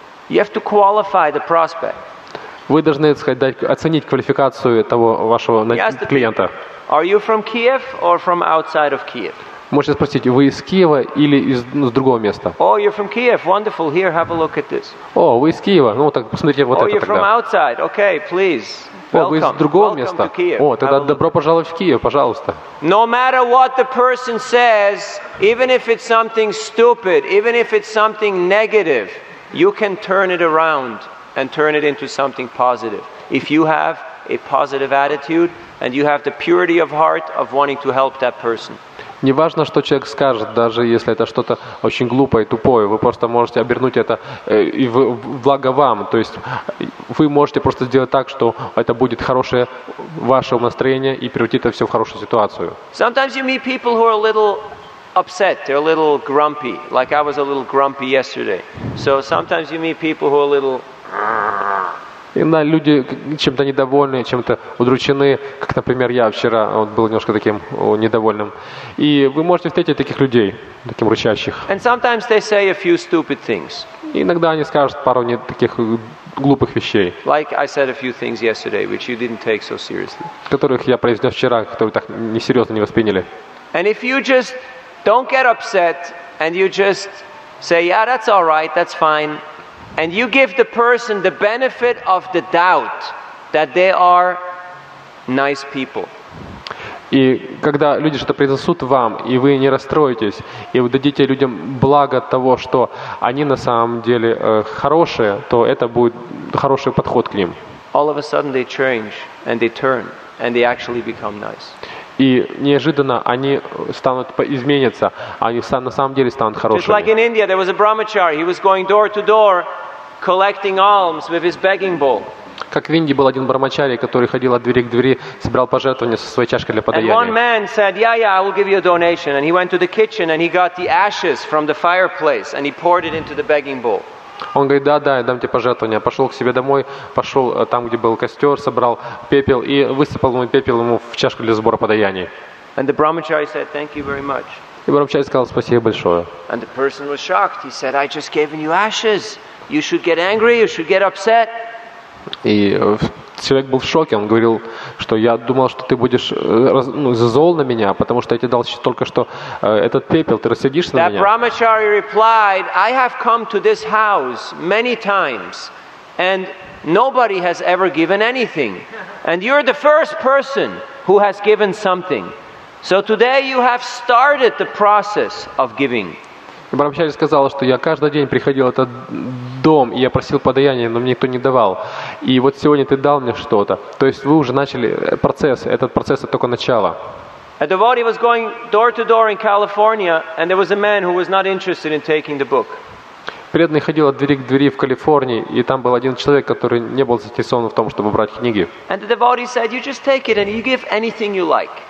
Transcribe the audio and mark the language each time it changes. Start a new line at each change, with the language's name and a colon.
English: You have to qualify the prospect.
Russian: Вы должны, так сказать, оценить квалификацию того вашего клиента.
English: Are you from Kiev or from outside of Kiev?
Russian: Можете спросить, вы из Киева или из другого места?
English: Oh, you're from Kiev. Wonderful. Here, have a look at this.
Russian: О, вы из Киева. Ну, так посмотрите вот это тогда.
English: Oh, you're from outside. Okay, please. Welcome.
Russian: О, вы из другого места. О, тогда добро пожаловать в Киев, пожалуйста.
English: No matter what the person says, even if it's something stupid, even if it's something negative, you can turn it around and turn it into something positive. If you have a positive attitude and you have the purity of heart of wanting to help that person.
Russian: Не важно, что человек скажет, даже если это что-то очень глупое и тупое, вы просто можете обернуть это и благо вам. То есть вы можете просто сделать так, что это будет хорошее ваше настроение и превратить это все в хорошую ситуацию.
English: Sometimes you meet people who are a little upset, they're a little grumpy, like I was a little grumpy yesterday. So sometimes you meet people who are a little...
Russian: Люди чем-то недовольны, чем-то удручены, как, например, я вчера вот, был немножко таким недовольным. И вы можете встретить таких людей, таким рычащих.
English: And sometimes they say a few stupid things.
Russian: И иногда они скажут пару не таких глупых вещей.
English: Like I said a few things yesterday, which you didn't take so seriously.
Russian: Которых я произнес вчера, которые так несерьезно не восприняли.
English: And if you just don't get upset, and you just say, yeah, that's all right, that's fine, and you give the person the benefit of the doubt that they are nice people.
Russian: И когда люди что-то произнесут вам, и вы не расстроитесь, и вы дадите людям благо того, что они на самом деле хорошие, то это будет хороший подход к ним.
English: All of a sudden they change and they turn and they actually become nice.
Russian: И неожиданно они станут изменятся, они на самом деле станут хорошими.
English: Just like in India, there was a brahmachari. He was going door to door, collecting alms with his begging bowl.
Russian: Как в Индии был один брахмачари, который ходил от двери к двери, собирал пожертвования со своей чашкой для подаяния.
English: And one man said, "Yeah, yeah, I will give you a donation." And he went to the kitchen and he got the ashes from the fireplace and he poured it into the begging bowl.
Russian: Он говорит, да, я дам тебе пожертвование. Пошел к себе домой, пошел там, где был костер, собрал пепел и высыпал ему пепел ему в чашку для сбора подаяний.
English: And the brahmachari said, "Thank you very much."
Russian: И брахмачари сказал, спасибо большое.
English: And the person was shocked. He said, "I just gave you ashes. You should get angry. You should get upset."
Russian: И человек был в шоке. Он говорил, что я думал, что ты будешь зол на меня, потому что я тебе дал только что этот пепел. Ты рассердишься на меня.
English: That brahmachari replied, "I have come to this house many times, and nobody has ever given anything. And you're the first person who has given something. So today you have started the process of giving."
Russian: И брахмачари сказал, что я каждый день приходил в этот дом, и я просил подаяния, но мне никто не давал. И вот сегодня ты дал мне что-то. То есть вы уже начали процесс. Этот процесс — это только начало.
English: A devotee was going door to door in California, and there was a man who was not interested in taking the book.
Russian: Преданный ходил от двери к двери в Калифорнии, и там был один человек, который не был заинтересован в том, чтобы брать книги.
English: And the devotee said, "You just take it and you give anything you like."